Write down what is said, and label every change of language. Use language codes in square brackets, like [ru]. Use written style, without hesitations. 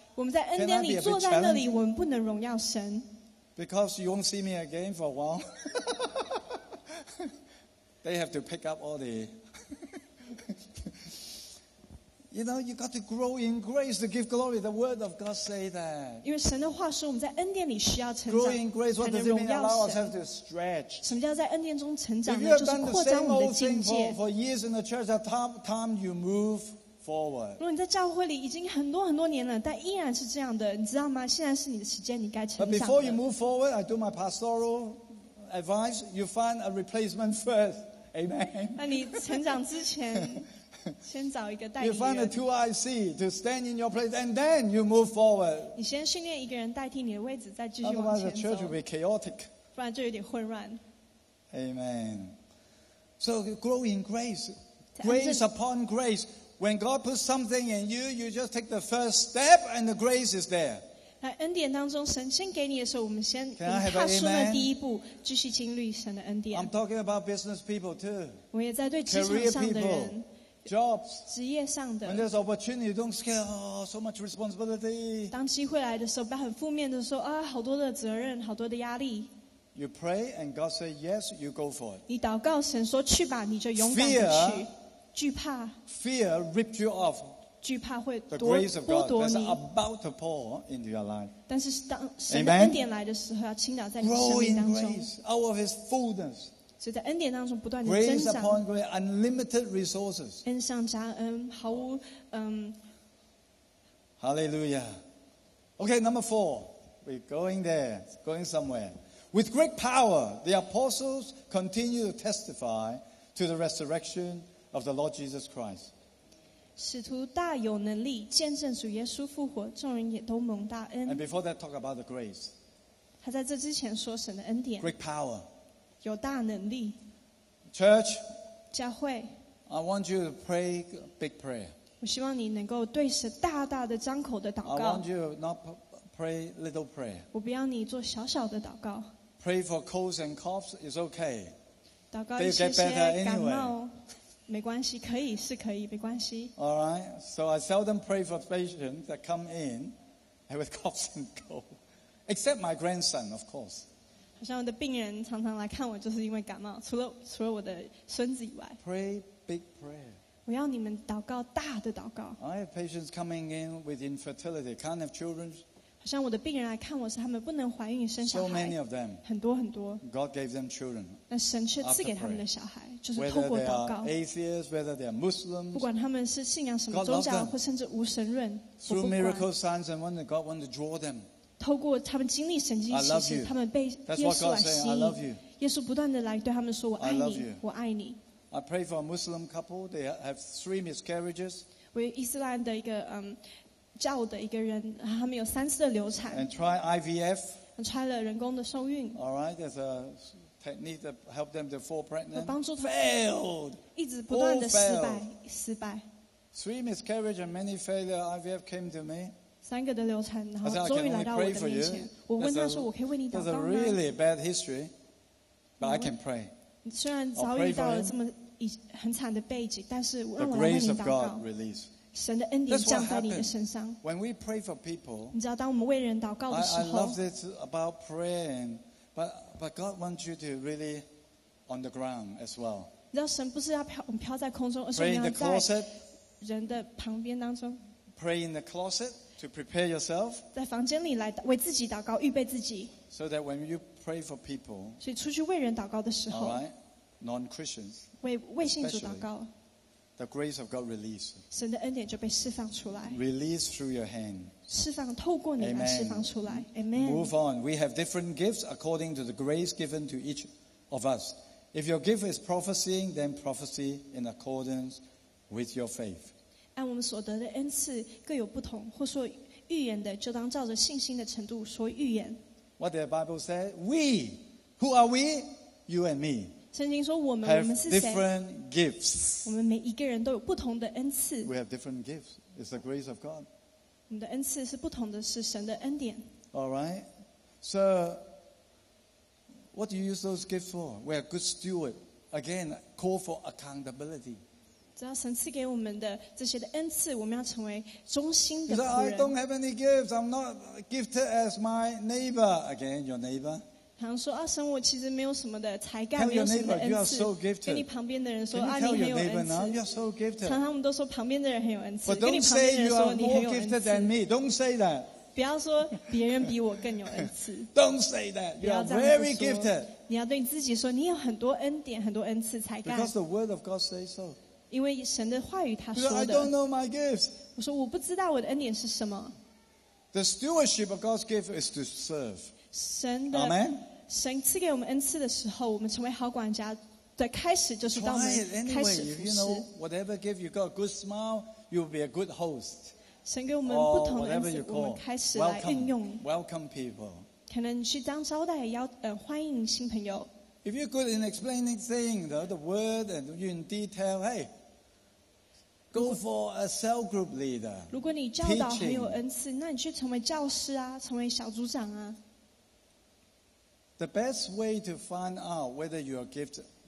[zh] 我们在恩典里坐在那里，我们不能荣耀神。 [en] Because you won't see me again for a while. They have to pick up all the. You know, you got to grow in grace to give glory. The word of God say that. [zh] 因为神的话说，我们在恩典里需要成长。 [en] Grow in grace, what does it mean? Allow ourselves to stretch. [zh] 什么叫在恩典中成长呢？就是扩张我们的境界。 [en] If you've done the same old thing for years in the church, time you move forward. [zh] 如果你在教会里已经很多很多年了，但依然是这样的，你知道吗？现在是你的时间，你该成长。 [en] But before you move forward, I do my pastoral advice. You find a replacement first. Amen. [zh] 那你成长之前。先找一个带领人。 [en] You find the two IC to stand in your place, and then you move forward. [zh] 你先训练一个人代替你的位置，再继续往前走。 [en] Otherwise, the church will be chaotic. [zh] 不然就有点混乱。 [en] Amen. So grow in grace, grace upon grace. When God puts something in you, you just take the first step, and the grace is there. [zh] 在恩典当中，神先给你的时候，我们先踏出了第一步，继续经历神的恩典。 [en] I'm talking about business people too. [zh] 我也在对职场上的人。 [en] Career people. Jobs. [zh] 职业上的。 [en] When there's opportunity, don't scare. Oh, so much responsibility. [zh] 当机会来的时候，不要很负面的说啊，好多的责任，好多的压力。 [en] You pray and God say yes, you go for it. [zh] 你祷告神说去吧，你就勇敢去。 [en] Fear, [zh] 惧怕。 [en] Fear ripped you off. [zh] 惧怕会剥夺你。 [en] The grace of God is about to pour into your life. [zh] 但是当神的恩典来的时候，要倾倒在你生命当中。 [en] Grow in grace, out of His fullness. [zh] 所以在恩典当中不断的增长 [en] grace upon grace, unlimited resources. [zh] 恩上加恩毫无 [en] Hallelujah. Okay, number four. We're going there, going somewhere. With great power, the apostles continue to testify to the resurrection of the Lord Jesus Christ. [zh] 使徒大有能力见证主耶稣复活，众人也都蒙大恩。 [en] And before that, talk about the grace. [zh] 他在这之前说神的恩典 [en] Great power. [zh] 有大能力 [en] Church [zh] 教会 [en] I want you to pray big prayer [zh] 我希望你能够对神大大的张口的祷告 [en] I want you not pray little prayer [zh] 我不要你做小小的祷告 [en] Pray for colds and coughs is okay [zh] 祷告一些些感冒没关系可以是可以没关系 [en] Alright So I seldom pray for patients that come in with coughs and colds Except my grandson of course [zh] 好像我的病人常常来看我就是因为感冒除了我的孙子以外 [en] Pray big prayer [zh] 我要你们祷告大的祷告 [en] I have patients coming in with infertility Can't have children [zh] 好像我的病人来看我是他们不能怀孕生小孩 [en] So many of them [zh] 很多很多 [en] God gave them children [zh] 那神却赐给他们的小孩就是透过祷告 [en] Whether they are atheists Whether they are Muslims [zh] 不管他们是信仰什么宗教或甚至无神论 [en] Through miracles, signs and wonders God wants to draw them [zh] 透过他们经历神迹奇事，他们被耶稣来吸引。耶稣不断的来对他们说：“我爱你，我爱你。” [en] I pray for a Muslim couple. They have three miscarriages. [zh] 为伊斯兰的一个教的一个人，他们有三次的流产。 [en] And try IVF. [zh] 拆了人工的受孕。 [en] All right, there's a technique to help them to fall pregnant. [zh] 帮助他们。 [en] Failed. [zh] 一直不断的失败。 [en] Three miscarriage and many failure. IVF came to me. [zh] 三个的流产，然后终于来到我的面前。我问他说：“我可以为你祷告吗？” [en] That's a really bad history, but I can pray. [zh] 虽然遭遇到了这么很惨的背景，但是让我来为你祷告。 [en] The grace of God release. [zh] 神的恩典降在你的身上。 [en] When we pray for people, [zh] 你知道，当我们为人祷告的时候 [en] ，I love this about praying, but God wants you to really on the ground as well. [zh] 你知道，神不是要飘在空中，而是你要在人的旁边当中。 [en] Pray in the closet. To prepare yourself, [zh] 在房间里来为自己祷告，预备自己。 [en] So that when you pray for people, [zh] 所以出去为人祷告的时候 [en] ，All right, non-Christians, [zh] 为信主祷告 [en] ，the grace of God release, [zh] 神的恩典就被释放出来 [en] ，release through your hand, [zh] 释放透过你来释放出来 ， [en] Amen. Move on. We have different gifts according to the grace given to each of us. If your gift is prophesying, then prophecy in accordance with your faith. [zh] 按我们所得的恩赐各有不同，或说预言的，就当照着信心的程度说预言。 [en] What the Bible said, we, who are we, you and me. [zh] 圣经说我们是谁 [en] ？Have different gifts. [zh] 我们每一个人都有不同的恩赐。 [en] We have different gifts. It's the grace of God. [zh] 我们的恩赐是不同的，是神的恩典。 [en] All right. So, what do you use those gifts for? We are good steward. Again, call for accountability. [zh] 只要神赐给我们的这些的恩赐，我们要成为忠心的仆人。 [en] He said, "I don't have any gifts. I'm not gifted as my neighbor." Again, your neighbor. [zh] 好像说啊，神，我其实没有什么的才干，没有什么的恩赐。 [en] You are so gifted. [zh] 跟你旁边的人说啊，你很有恩赐。 [en] You are so gifted. [zh] 常常我们都说旁边的人很有恩赐。 [en] But don't say you are more gifted than me. Don't say that. [zh] 不要说别人比我更有恩赐。 [en] Don't say that. You are very gifted. [zh] 你要对你自己说，你有很多恩典，很多恩赐才干。 [en] Because the word of God says so. [zh] 因为神的话语他说的 [en] I don't know my gifts. [zh] 我说我不知道我的恩典是什么 [en] The stewardship of God's gift is to serve [zh] 神的 [en] Amen? [zh] 神赐给我们恩赐的时候我们成为好管家的开始就是当我们开始服 [en] You know, whatever gave you got a good smile, you'll be a good host. [zh] 神给我们不同的恩赐，我们开始来运用。 [en] Welcome people. [zh] 可能去当招待，要欢迎新朋友。 [en] If you're good in explaining things, the word and in detail, hey, go for a cell group leader. [zh] 如果你教导很有恩赐，那你去成为教师啊，成为小组长啊。 [en] The best way to find out whether you are gifted,